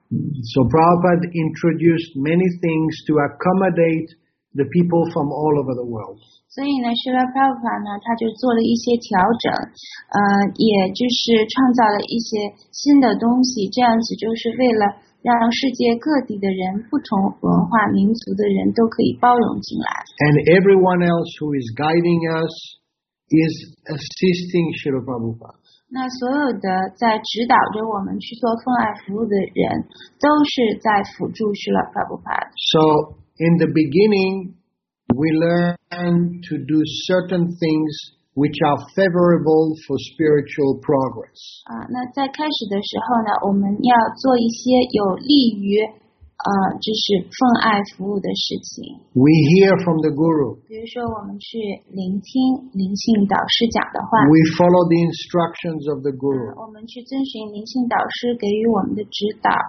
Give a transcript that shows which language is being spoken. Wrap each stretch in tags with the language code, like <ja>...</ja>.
<en>So Prabhupada introduced many things to accommodate the people from all over the world.</en> <zh>所以呢，释迦牟尼佛呢，他就做了一些调整，也就是创造了一些新的东西，这样子就是为了让世界各地的人，不同文化、民族的人都可以包容进来。</zh> <en>And everyone else who is guiding us is assisting Srila Prabhupada.</en> <zh>那所有的在指导着我们去做奉爱服务的人，都是在辅助施拉帕布帕。</zh> <en>So in the beginning, we learn to do certain things which are favorable for spiritual progress.</en> <zh>那在开始的时候呢，我们要做一些有利于就是奉爱服务的事情。</zh> <en>We hear from the guru.</en> <zh>比如说，我们去聆听灵性导师讲的话。</zh> <en>We follow the instructions of the guru.</en> <zh>我们去遵循灵性导师给予我们的指导。</zh>